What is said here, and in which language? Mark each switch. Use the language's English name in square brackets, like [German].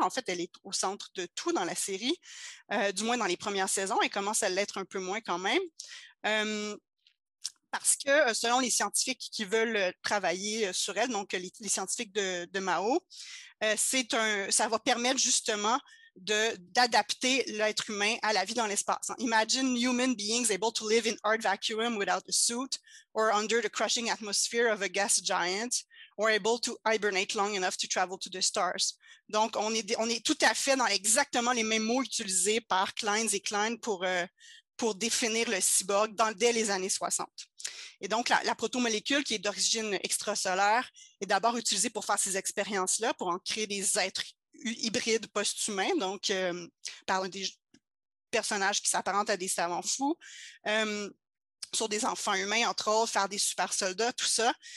[French] En fait, elle est au centre de tout dans la série, du moins dans les premières saisons, elle commence à l'être un peu moins quand même. Parce que selon les scientifiques qui veulent travailler sur elle, donc les scientifiques de Mao, ça va permettre justement d'adapter l'être humain à la vie dans l'espace. [English] Imagine human beings able to live in hard vacuum without a suit or under the crushing atmosphere of a gas giant or able to hibernate long enough to travel to the stars. [French] Donc, on est tout à fait dans exactement les mêmes mots utilisés par Kleins et Klein pour définir le cyborg dès les années 60. Et donc, la protomolécule, qui est d'origine extrasolaire, est d'abord utilisée pour faire ces expériences-là, pour en créer des êtres hybrides post-humains, donc par des personnages qui s'apparentent à des savants fous, sur des enfants humains, entre autres, faire des super soldats, tout ça.